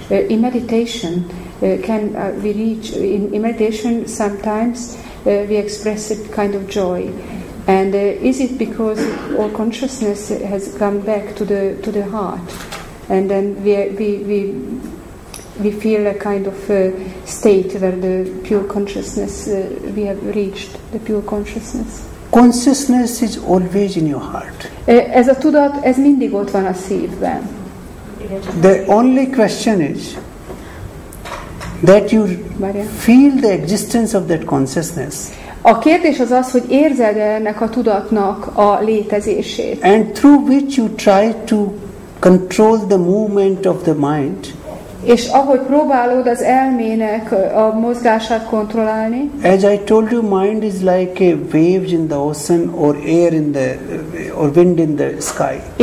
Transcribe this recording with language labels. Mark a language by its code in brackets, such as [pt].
[en] In meditation, in meditation sometimes we express a kind of joy, and is it because our consciousness has come back to the heart, and then we feel a kind of state where the pure consciousness we have reached the pure consciousness. Consciousness is always in your heart. [hu] Ez a tudat, ez mindig ott van a szívben. [en] The only question is that you feel the existence of that consciousness. [hu] A kérdés az az, hogy érzed-e ennek a tudatnak a létezését. [en] And through which you try to control the movement of the mind. [hu] És ahogy próbálod az elmének a mozgását kontrollálni. [en] As I told you, mind is like a waves in the ocean or air in the or wind in the sky.